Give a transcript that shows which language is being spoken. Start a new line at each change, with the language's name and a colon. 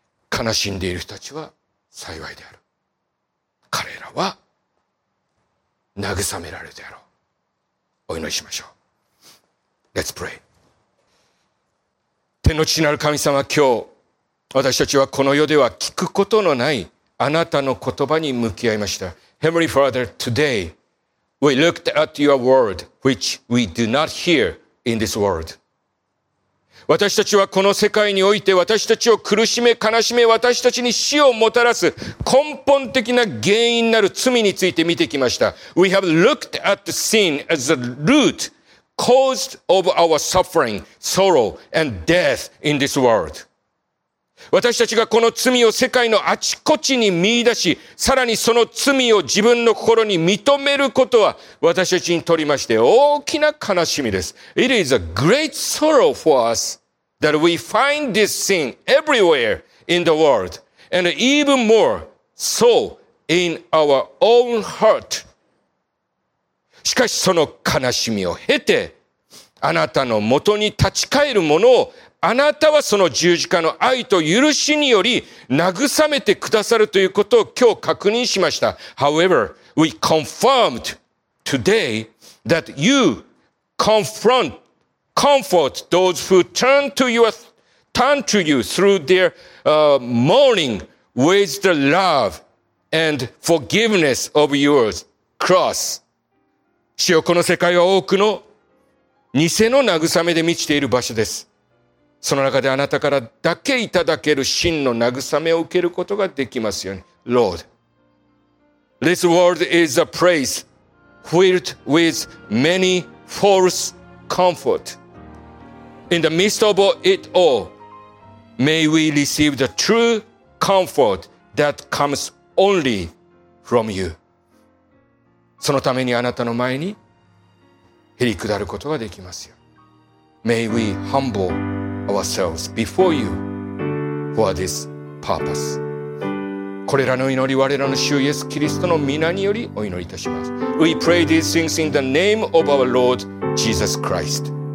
Japanese: 悲しんでいる人たちは幸いである、彼らは慰められるであろう。お祈りしましょう。
English: Let's pray。
Japanese: 天の父なる神様、今日私たちはこの世では聞くことのないあなたの言葉に向き合いました。
English: Heavenly Father, today we looked at your word which we do not hear in this world。
Japanese: 私たちはこの世界において私たちを苦しめ悲しめ私たちに死をもたらす根本的な原因なる罪について見てきました。
English: We have looked at the sin as the root caused of our suffering, sorrow and death in this world.
Japanese: 私たちがこの罪を世界のあちこちに見出し、さらにその罪を自分の心に認めることは私たちにとりまして大きな悲しみです。
English: It is a great sorrow for us that we find this sin everywhere in the world and even more so in our own heart.
Japanese: しかしその悲しみを経て、あなたの元に立ち返るものを、あなたはその十字架の愛と許しにより慰めてくださるということを今日確認しました。
English: However, we confirmed today that you comfort those who turn to you through their mourning with the love and forgiveness of your cross.
Japanese: 主よ、この世界は多くの偽の慰めで満ちている場所です。その中であなたからだけいただける真の慰めを受けることができますように。
English: Lord, this world is a place filled with many false comfort. In the midst of it all, may we receive the true comfort that comes only from you.
Japanese: そのためにあなたの前にへり下ることができますよ。
English: May we humble ourselves before you for this purpose.
Japanese: これらの祈り、我らの主イエス・キリストの御名によりお祈りいたします。
English: We pray these things in the name of our Lord Jesus Christ.